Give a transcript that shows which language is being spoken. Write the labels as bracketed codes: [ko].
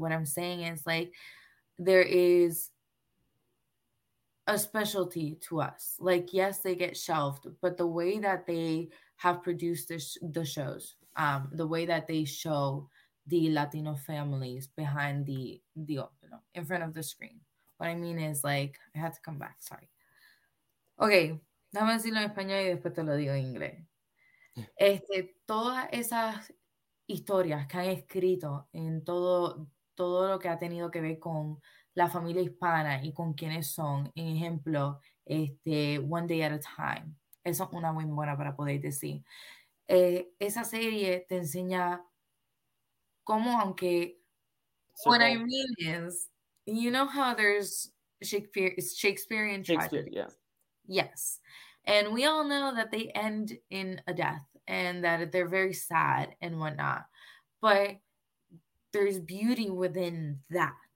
[en] What I'm saying is like there is a specialty to us. Like, yes, they get shelved, but the way that they have produced the shows, the way that they show the Latino families behind the you know, in front of the screen. What I mean is like I had to come back, sorry. [es] Okay, dame decirlo en español y después te lo digo en inglés. Todas esas historias que han escrito en todo lo que ha tenido que ver con la familia hispana y con quiénes son, en ejemplo, One Day at a Time. Eso es una muy buena para poder decir. Esa serie te enseña cómo, aunque, what I [en] Circle. mean is, you know how there's Shakespearean Shakespeare, tragedies. yeah. Yes. And we all know that they end in a death and that they're very sad and whatnot. But there's beauty within that.